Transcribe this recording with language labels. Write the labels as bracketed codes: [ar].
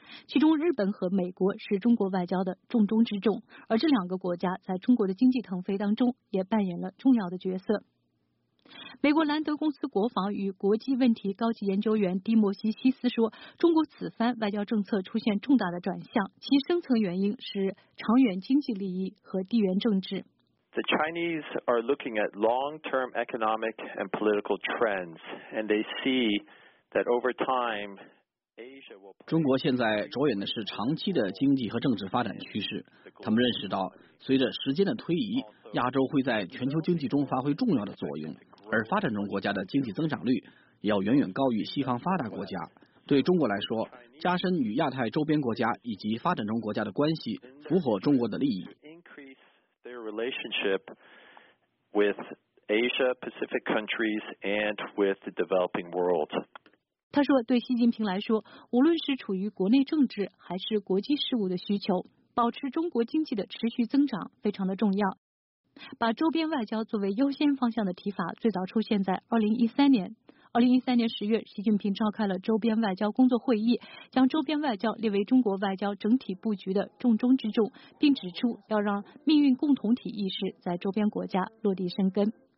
[zh] 其中日本和美国是中国外交的重中之重，而这两个国家在中国的经济腾飞当中也扮演了重要的角色。美国兰德公司国防与国际问题高级研究员迪摩西·希斯说，中国此番外交政策出现重大的转向，其深层原因是长远经济利益和地缘政治。 [en] The Chinese are looking at long-term economic and political trends, and they see that over time, [zh] 中国现在着眼的是长期的经济和政治发展趋势，他们认识到随着时间的推移，亚洲会在全球经济中发挥重要的作用，而发展中国家的经济增长率也要远远高于西方发达国家。对中国来说，加深与亚太周边国家以及发展中国家的关系符合中国的利益。 [en] Increase their relationship with Asia Pacific countries and with the developing world. [zh] 他说，对习近平来说，无论是处于国内政治还是国际事务的需求，保持中国经济的持续增长非常的重要。把周边外交作为优先方向的提法最早出现在2013年。 2013年10月，习近平召开了周边外交工作会议，将周边外交列为中国外交整体布局的重中之重，并指出要让命运共同体意识在周边国家落地生根。